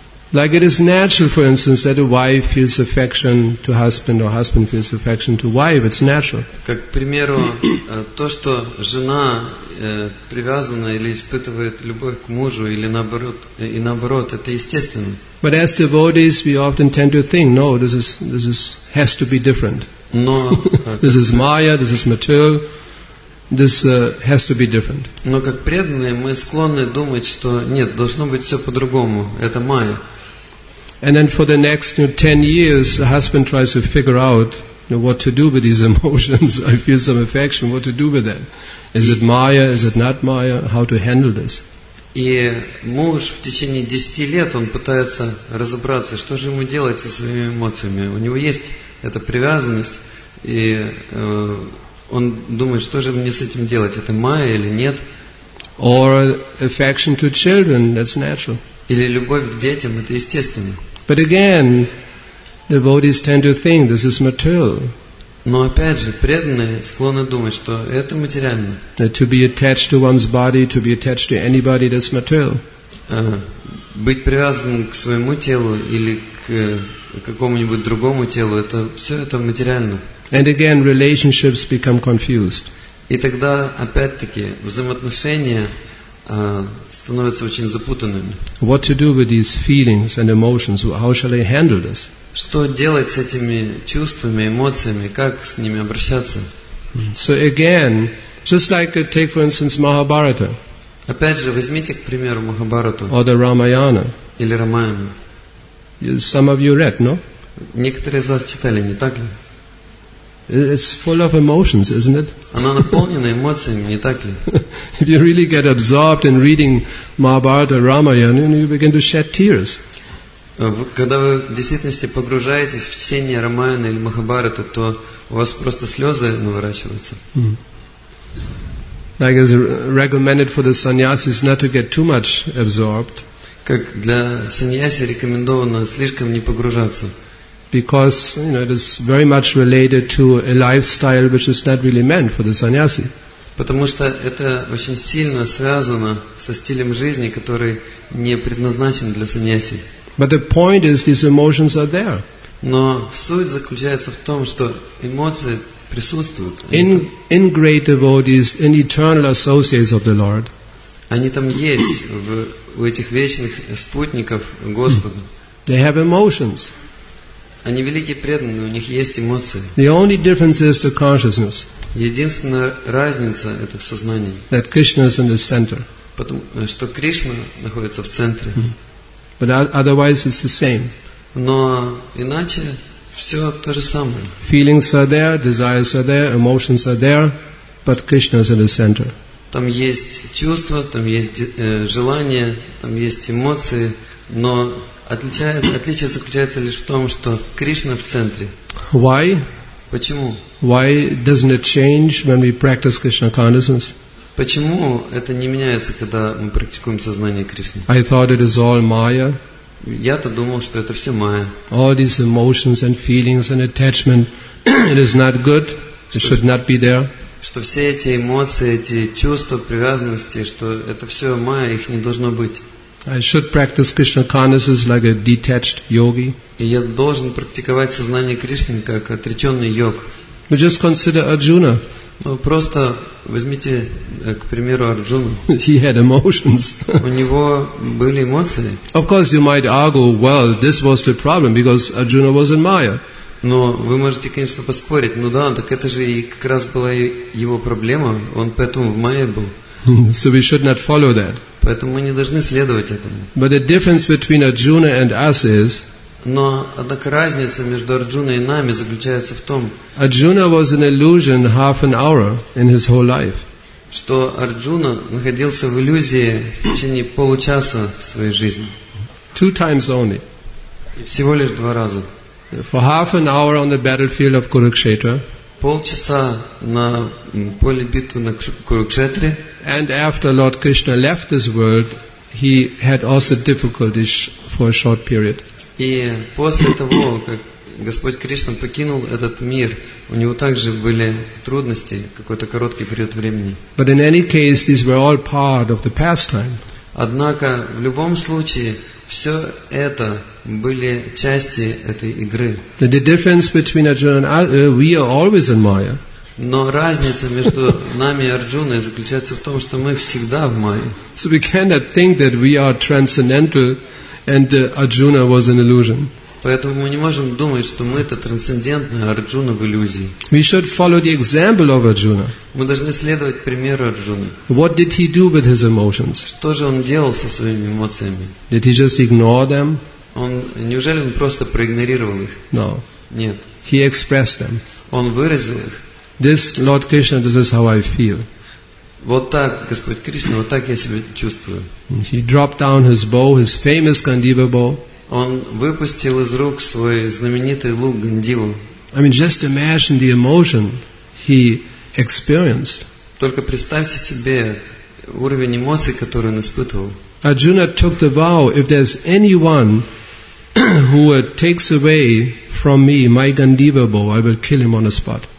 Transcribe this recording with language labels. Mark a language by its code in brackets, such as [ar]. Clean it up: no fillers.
[en] Like it is natural, for instance, that a wife feels affection to husband, or husband feels affection to wife. It's natural. [ru] Как, к примеру, то, что жена привязана или испытывает любовь к мужу, или наоборот, и наоборот, это естественно. [en] But as devotees, we often tend to think, no, this has to be different. [ru] Но [en] this is Maya, this is material. This has to be different. [ru] Но как преданные мы склонны думать, что нет, должно быть все по-другому. Это майя. [en] And then for the next 10 years, the husband tries to figure out what to do with these emotions. I feel some affection. What to do with that? Is it Maya? Is it not Maya? How to handle this? [ru] И муж в течение 10 лет он пытается разобраться, что же ему делать со своими эмоциями. У него есть эта привязанность и он думает, что же мне с этим делать, это майя или нет? [en] Or affection to children, that's natural. [ru] Или любовь к детям, это естественно. [en] But again, devotees tend to think this is material. [ru] Но опять же, преданные склонны думать, что это материально. [en] That to be attached to one's body, to be attached to anybody, that's material. [ru] Быть привязанным к своему телу или к какому-нибудь другому телу, это все это материально. [en] And again, relationships become confused. [ru] И тогда опять-таки взаимоотношения становятся очень запутанными. [en] What to do with these feelings and emotions? How shall I handle this? [ru] Что делать с этими чувствами, эмоциями, как с ними обращаться? [en] So again, just like take for instance Mahabharata. [ru] Опять же, возьмите, к примеру, Махабхарату. [en] Or the Ramayana. [ru] Или Рамаяну. [en] Some of you read, no? [ru] Некоторые из вас читали, не так ли? [en] It's full of emotions, isn't it? [ru] Она наполнена эмоциями, не так ли? [en] If you really get absorbed in reading Mahabharata, Ramayana, you begin to shed tears. [ru] Когда вы в действительности погружаетесь в чтение Рамаяны или Махабхараты, то у вас просто слезы наворачиваются. [en] Like it's recommended for the sannyasis not to get too much absorbed. [ru] Как для саньяси рекомендовано слишком не погружаться. [en] Because you know it is very much related to a lifestyle which is not really meant for the sannyasi. [ru] Потому что это очень сильно связано со стилем жизни, который не предназначен для саньяси. [en] But the point is, these emotions are there. [ru] Но суть заключается в том, что эмоции присутствуют. [en] In great devotees, in eternal associates of the Lord. [ru] Они там есть в у этих вечных спутников Господа. [en] They have emotions. [ru] Они великие преданные, у них есть эмоции. [en] The only difference is the consciousness. [ru] Единственная разница это в сознании. [en] That Krishna is in the center. [ru] Потому что Кришна находится в центре. [en] But otherwise it's the same. [ru] Но иначе все то же самое. [en] Feelings are there, desires are there, emotions are there, but Krishna is in the center. [ru] Там есть чувства, там есть желания, там есть эмоции, но отличие заключается лишь в том, что Кришна в центре. [en] Why? [ru] Почему? [en] Why doesn't it change when we practice Krishna consciousness? [ru] Почему это не меняется, когда мы практикуем сознание Кришны? [en] I thought it is all Maya. [ru] Я-то думал, что это все Maya. [en] All these emotions and feelings and attachment, it is not good. It should not be there. [ru] Что все эти эмоции, эти чувства, привязанности, что это все Maya, их не должно быть. [en] I should practice Krishna consciousness like a detached yogi. [ru] И я должен практиковать сознание Кришны как отреченный йог. [en] But just consider Arjuna. [ru] Ну, просто возьмите, к примеру, Арджуну. [en] He had emotions. [ru] У него были эмоции. [en] Of course, you might argue, well, this was the problem, because Arjuna was in Maya. [ru] Но вы можете, конечно, поспорить. Ну да, так это же и как раз была его проблема. Он поэтому в Майе был. [en] So we should not follow that. [ru] Поэтому мы не должны следовать этому. [en] But the difference between Arjuna and us is... [ru] Но, однако, разница между Арджуной и нами заключается в том, [en] Arjuna was an illusion half an hour in his whole life. [ru] Что Арджуна находился в иллюзии в течение получаса в своей жизни. [en] Two times only. [ru] Всего лишь два раза. [en] For half an hour on the battlefield of Kurukshetra. [ru] Полчаса на поле битвы на Курукшетре. [en] And after Lord Krishna left this world, he had also difficulties for a short period. [ru] И после того, как Господь Кришна покинул этот мир, у него также были трудности какой-то короткий период времени. [en] But in any case, these were all part of the pastime. [ru] Однако в любом случае все это были части этой игры. [en] The difference between Arjuna and us, we are always in Maya. [ru] Но разница между нами и Арджуной заключается в том, что мы всегда в Майе. [en] So we cannot think that we are transcendental. And Arjuna was an illusion. [ru] Поэтому мы не можем думать, что мы это трансцендентное, а Арджуна в иллюзии. [en] We should follow the example of Arjuna. [ru] Мы должны следовать примеру Арджуны. [en] What did he do with his emotions? [ru] Что же он делал со своими эмоциями? [en] Did he just ignore them? [ru] Неужели он просто проигнорировал их? [en] No. [ru] Нет. [en] He expressed them. [ru] Он выразил их. [en] This Lord Krishna, this is how I feel. [ru] Вот так, Господь Кришна, вот так я себя чувствую. [en] He dropped down his bow, his famous Gandiva bow. [ru] Он выпустил из рук свой знаменитый лук Гандиву. [en] I mean, just imagine the emotion he experienced. [ru] Только представьте себе уровень эмоций, который он испытывал. [en] Arjuna took the vow, if there's anyone who takes away from me my Gandiva bow, I will kill him on the spot.